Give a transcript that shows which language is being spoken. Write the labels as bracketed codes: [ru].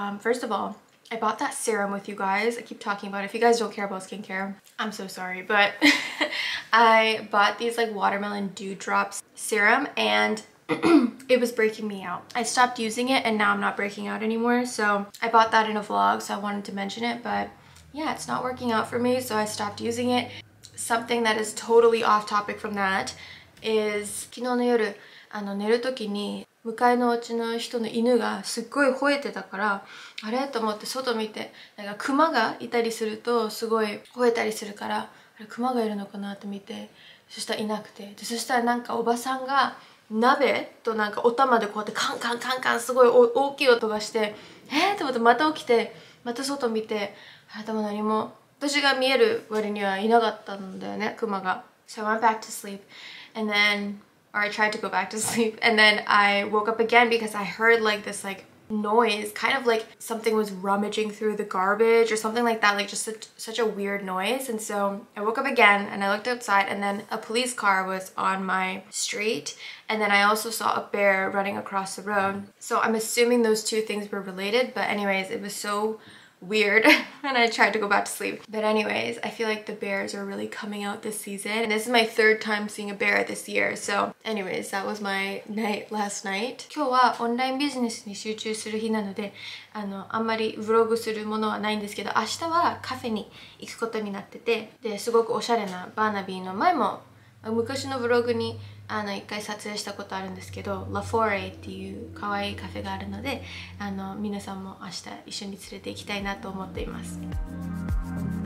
[en] First of all, I bought that serum with you guys. I keep talking about it. If you guys don't care about skincare, I'm so sorry, but I bought these like watermelon dew drops serum and it was breaking me out. I stopped using it and now I'm not breaking out anymore. So I bought that in a vlog, so I wanted to mention it, but yeah, it's not working out for me, so I stopped using it. Something that is totally off topic from that is [ja] 昨日の夜、寝る時に 向かいのお家の人の犬がすっごい吠えてたから、あれと思って外見て、なんか熊がいたりするとすごい吠えたりするから、あれ熊がいるのかなって見て、そしたらいなくて、そしたらなんかおばさんが鍋となんかお玉でこうやってカンカンカンカンすごい大きい音がして、えと思ってまた起きて、また外見て、あれ、でも何も私が見える割にはいなかったんだよね、熊が。So [en] I went back to sleep and then or I tried to go back to sleep and then I woke up again because I heard like this like noise, kind of like something was rummaging through the garbage or something like that, like just such a weird noise. And so I woke up again and I looked outside and then a police car was on my street and then I also saw a bear running across the road. So I'm assuming those two things were related, but anyways, it was so weird and I tried to go back to sleep. But anyways, I feel like the bears are really coming out this season and this is my third time seeing a bear this year. So anyways, that was my night last night. [ja] 今日はオンラインビジネスに集中する日なので、あんまりブログするものはないんですけど、明日はカフェに行くことになってて、で、すごくおしゃれなバーナビーの前も昔のブログに一回撮影したことあるんですけど、 Foretっていう可愛いカフェがあるので、皆さんも明日一緒に連れて行きたいなと思っています。